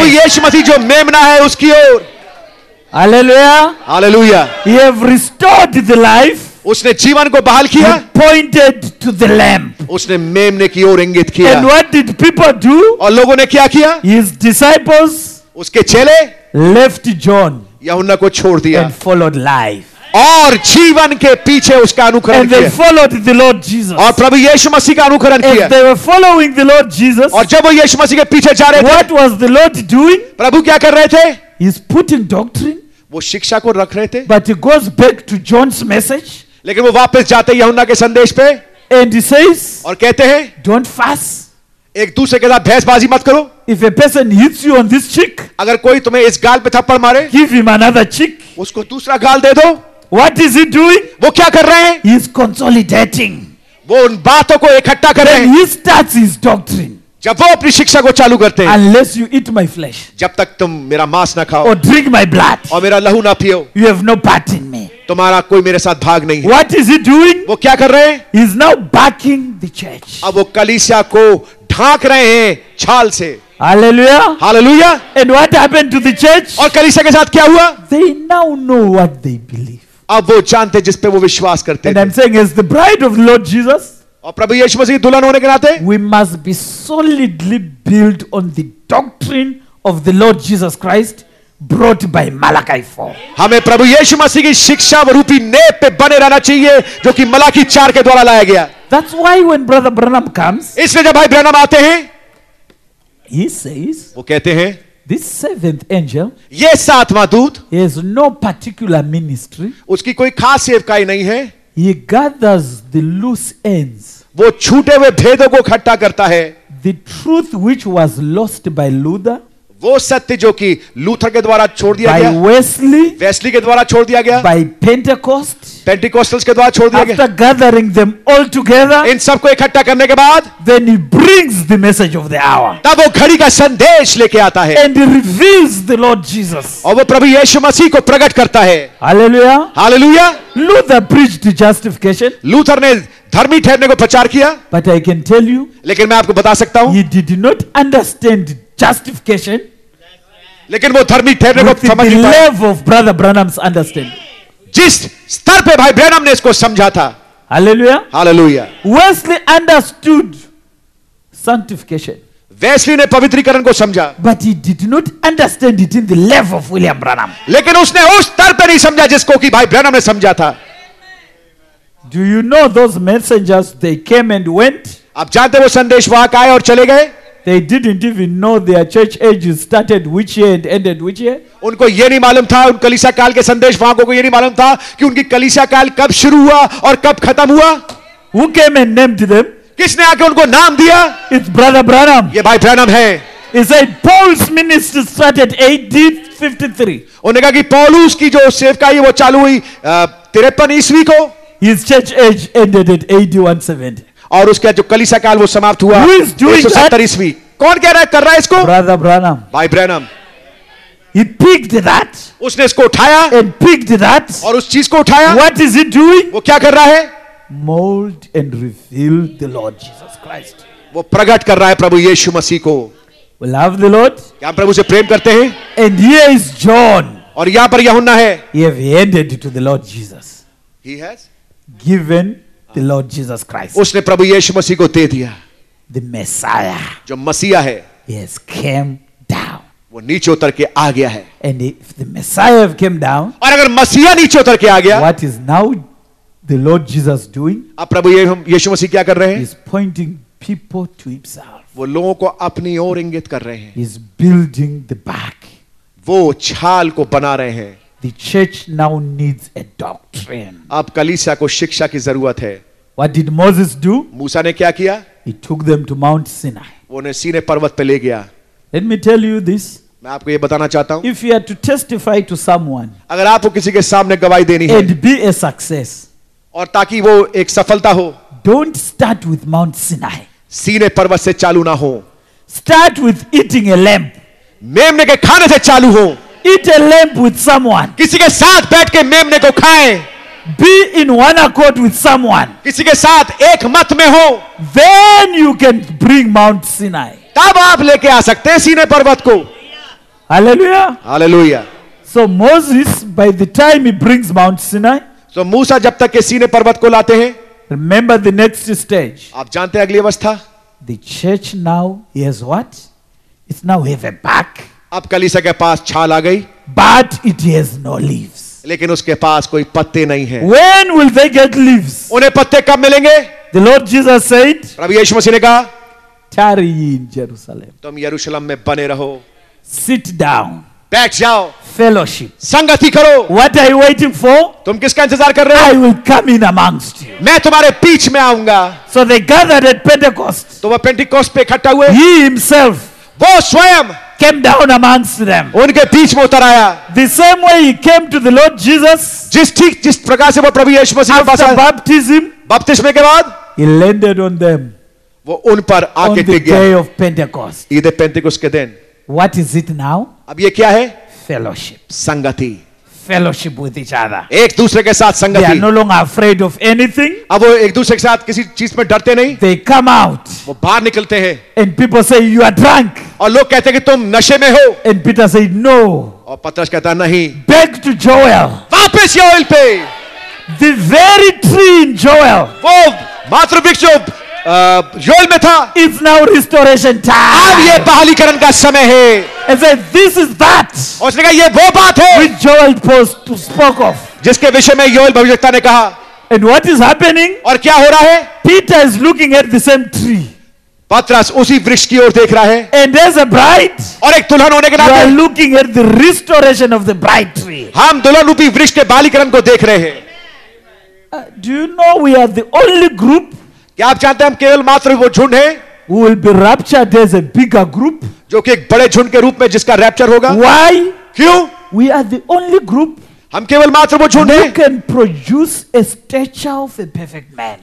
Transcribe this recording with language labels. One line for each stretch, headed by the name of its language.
Hindi: अब यीशु मसीह जो मेमना है उसकी ओर.
English: Hallelujah. Hallelujah. He have restored the life.
Hindi: उसने जीवन को बहाल किया.
English: He pointed to the Lamb.
Hindi: उसने मेमने की ओर इंगित किया.
English: And what did people do?
Hindi: और लोगों ने क्या किया?
English: His disciples.
Hindi: उसके चेले.
English: Left John.
Hindi: यूहन्ना को छोड़ दिया.
English: And followed life.
Hindi: और जीवन के पीछे उसका अनुकरण
English: किया. Followed the Lord Jesus.
Hindi: और प्रभु यीशु मसीह का अनुकरण किया.
English: And they were following the Lord Jesus.
Hindi: और जब वो यीशु मसीह के पीछे जा रहे थे.
English: What was the Lord doing?
Hindi: प्रभु क्या कर रहे थे?
English: He's putting doctrine.
Hindi: वो शिक्षा को रख रहे थे.
English: But he goes back to John's message.
Hindi: लेकिन वो वापस जाते हैं यूहन्ना के संदेश पे.
English: And he says.
Hindi: और कहते हैं.
English: Don't fuss.
Hindi: एक दूसरे के साथ भैंसबाजी मत करो.
English: If a person hits you on this cheek.
Hindi: अगर कोई तुम्हें इस गाल पे थप्पड़ मारे.
English: Give him another cheek.
Hindi: उसको दूसरा गाल दे दो.
English: What is he doing?
Hindi: वो क्या कर रहे हैं?
English: He is consolidating.
Hindi: वो उन बातों को इकट्ठा कर रहे हैं.
English: He starts his doctrine.
Hindi: जब वो अपनी शिक्षा को चालू करते हैं.
English: Unless you eat my flesh.
Hindi: जब तक तुम मेरा मांस ना खाओ.
English: Or drink my blood.
Hindi: और मेरा लहू ना पियो.
English: You have no part in me.
Hindi: तुम्हारा कोई मेरे साथ भाग नहीं है.
English: What is he doing?
Hindi: वो क्या कर रहे हैं?
English: He is now backing the church.
Hindi: अब वो कलीसिया को ढांक रहे हैं छाल से.
English: Hallelujah. Hallelujah. And what happened to the church?
Hindi: और कलीसिया के साथ क्या हुआ?
English: They now know what they believe.
Hindi: अब वो जानते जिस पे वो विश्वास करते
English: हैं. And I'm saying, as the bride of Lord Jesus,
Hindi: और प्रभु यीशु मसीह दुल्हन होने के नाते,
English: we must be solidly built on the doctrine of the Lord Jesus Christ brought by Malachi 4.
Hindi: हमें प्रभु यीशु मसीह की शिक्षा रूपी नेप पे बने रहना चाहिए जो कि मलाकी 4 के द्वारा लाया गया.
English: That's why when Brother Branham comes,
Hindi: इसलिए जब भाई ब्रैनम आते हैं,
English: he says,
Hindi: वो कहते हैं,
English: this seventh angel,
Hindi: ये सातवां दूत,
English: has no particular ministry.
Hindi: उसकी कोई खास सेवकाई नहीं है.
English: He gathers the loose ends.
Hindi: वो छूटे हुए भेदों को इकट्ठा करता है.
English: The truth which was lost by Luther,
Hindi: वो सत्य जो कि लूथर के द्वारा छोड़ दिया गया.
English: By Wesley
Hindi: के द्वारा छोड़ दिया गया.
English: By Pentecost,
Hindi: Pentecostals के द्वारा छोड़ दिया गया.
English: After gathering them all together,
Hindi: इन सब को इकट्ठा करने के बाद,
English: then he brings the message of the hour.
Hindi: तब वो घड़ी का संदेश लेके आता है.
English: And he reveals the Lord Jesus.
Hindi: और वो प्रभु यीशु मसीह को प्रकट करता है.
English: Hallelujah. Hallelujah. Luther preached the justification.
Hindi: Luther ने धर्मी ठहरने को प्रचार किया.
English: But I can tell you,
Hindi: लेकिन मैं आपको बता सकता हूँ,
English: he did not understand justification.
Hindi: लेकिन वो धर्मी ठहरने को समझ नहीं पाया.
English: Love of Brother Branham's understanding.
Hindi: जिस स्तर पे भाई ब्रैनम ने इसको समझा था.
English: Hallelujah. Hallelujah. Wesley understood sanctification.
Hindi: Wesley ने पवित्रीकरण को समझा.
English: But he did not understand it in the level of William Branham.
Hindi: लेकिन उसने उस स्तर पे नहीं समझा जिसको कि भाई ब्रैनम ने समझा था.
English: Do you know those messengers? They came and went.
Hindi: आप जानते वो संदेश वहां आए और चले गए.
English: They didn't even know their church age started which year and ended which year.
Hindi: उनको ये नहीं मालूम था उन कलीसिया काल के संदेश वाहकों को ये नहीं मालूम था कि उनकी कलीसिया काल कब शुरू हुआ और कब खत्म हुआ.
English: Who came and named them?
Hindi: किसने आके उनको नाम दिया?
English: It's Brother Branham.
Hindi: ये भाई ब्रैनम है.
English: He said Paul's ministry started AD 53.
Hindi: उन्होंने कहा कि पौलुस की जो सेवकाई वो चालू हुई 53 ईस्वी को.
English: His church age ended at AD 170.
Hindi: और उसके जो कलीसिया काल वो समाप्त हुआ 70 ईस्वी. कौन कह रहा है कर रहा है इसको?
English: Brother Branham.
Hindi: भाई ब्रैनम.
English: He picked that.
Hindi: उसने इसको उठाया.
English: And picked that.
Hindi: और उस चीज को उठाया.
English: What is he doing?
Hindi: वो क्या कर रहा है?
English: Mold and reveal the Lord Jesus Christ.
Hindi: वो प्रकट कर रहा है प्रभु यीशु मसीह को.
English: We love the Lord.
Hindi: क्या प्रभु से प्रेम करते हैं?
English: And here is John.
Hindi: और यहाँ पर यूहन्ना है.
English: He has handed to the Lord Jesus. He has given the Lord Jesus Christ.
Hindi: उसने प्रभु यीशु मसीह को दे दिया.
English: The Messiah.
Hindi: जो मसीहा है.
English: He has came down.
Hindi: वो नीचे उतर के आ गया है.
English: And if the Messiah have came down,
Hindi: और अगर मसीहा नीचे उतर के आ गया,
English: what is now the Lord Jesus doing?
Hindi: अब प्रभु यीशु मसीह क्या कर रहे हैं?
English: He is pointing people to himself.
Hindi: वो लोगों को अपनी ओर इंगित कर रहे हैं.
English: He's building the back.
Hindi: वो छाल को बना रहे हैं.
English: The church now needs a doctrine.
Hindi: अब कलीसिया को शिक्षा की जरूरत है.
English: What did Moses do?
Hindi: मूसा ने क्या किया?
English: He took them to Mount Sinai.
Hindi: वो उन्हें सीनै पर्वत पे ले गया.
English: Let me tell you this.
Hindi: मैं आपको ये बताना चाहता हूं.
English: If you are to testify to someone.
Hindi: अगर आपको किसी के सामने गवाही देनी है.
English: And be a success.
Hindi: और ताकि वो एक सफलता हो.
English: Don't start with Mount Sinai.
Hindi: सीनै पर्वत से चालू ना हो.
English: Start with eating a lamb.
Hindi: मेमने के खाने से चालू हो.
English: Eat a lamb with someone.
Hindi: किसी के साथ बैठ के मेमने को खाएं.
English: Be in one accord with someone.
Hindi: किसी के साथ एक मत में हो.
English: Then you can bring Mount Sinai.
Hindi: तब आप लेके आ सकते हैं सीनै पर्वत को.
English: Hallelujah. Hallelujah. So Moses, by the time he brings Mount Sinai.
Hindi: So मूसा जब तक के सीनै पर्वत को लाते हैं.
English: Remember the next stage.
Hindi: आप जानते हैं अगली अवस्था.
English: The church now has what? It's now have a back.
Hindi: अब कलीसिया के पास छाल आ गई.
English: But it has no leaves.
Hindi: लेकिन उसके पास कोई पत्ते नहीं है.
English: When will they get leaves?
Hindi: उन्हें पत्ते कब मिलेंगे?
English: The Lord Jesus said.
Hindi: प्रभु यीशु मसीह ने कहा.
English: Tarry in Jerusalem.
Hindi: तुम यरूशलेम में बने रहो.
English: Sit down.
Hindi: बैठ जाओ.
English: Fellowship.
Hindi: संगति करो.
English: What are you waiting for?
Hindi: तुम किसका इंतजार कर रहे हो?
English: I will come in amongst you.
Hindi: मैं तुम्हारे बीच में आऊंगा.
English: So they gathered at Pentecost.
Hindi: तो वह पेंटिकोस्ट पे इकट्ठा हुए.
English: He himself.
Hindi: वो स्वयं.
English: Came down amongst them.
Hindi: उनके बीच में उतर आया.
English: The same way he came to the Lord Jesus.
Hindi: जिस प्रकार से वो प्रभु यीशु मसीह के पास
English: आया. After baptism.
Hindi: बपतिस्मे के बाद.
English: He landed on them.
Hindi: वो उन पर आके टिक गया.
English: On the day of Pentecost.
Hindi: Eid Pentecost के दिन.
English: What is it now?
Hindi: अब ये क्या है?
English: Fellowship.
Hindi: संगति.
English: Fellowship with each other.
Hindi: एक दूसरे के साथ संगति.
English: They are no longer afraid of anything.
Hindi: अब वो एक दूसरे के साथ किसी चीज में डरते नहीं.
English: They come out.
Hindi: वो बाहर निकलते हैं.
English: And people say you are drunk.
Hindi: और लोग कहते हैं कि तुम नशे में हो.
English: And Peter said no.
Hindi: और पतरस कहता नहीं.
English: Back to Joel.
Hindi: वापस योएल पे.
English: The very tree in Joel.
Hindi: वो मात्र वृक्ष जो योएल में था.
English: It's now restoration time.
Hindi: अब ये बहालीकरण का समय है.
English: And said, this is that.
Hindi: और उसने कहा ये वो बात है.
English: Which Joel spoke of.
Hindi: जिसके विषय में योएल भविष्यवक्ता ने कहा.
English: And what is happening?
Hindi: और क्या हो रहा है?
English: Peter is looking at the same tree.
Hindi: पतरस उसी वृक्ष की ओर देख रहा है.
English: And as a bride.
Hindi: और एक दुल्हन होने के नाते.
English: You are looking at the restoration of the bride tree.
Hindi: हम दुल्हन रूपी वृक्ष के बहालीकरण को देख रहे हैं.
English: Do you know we are the only group?
Hindi: क्या आप जानते हैं हम केवल मात्र वो झुंड है.
English: We will be raptured as a bigger group.
Hindi: जो कि एक बड़े झुंड के रूप में जिसका रैप्चर होगा.
English: Why?
Hindi: क्यों?
English: We are the only group.
Hindi: हम केवल मात्र वो झुंड है.
English: Who can produce a stature of a perfect man.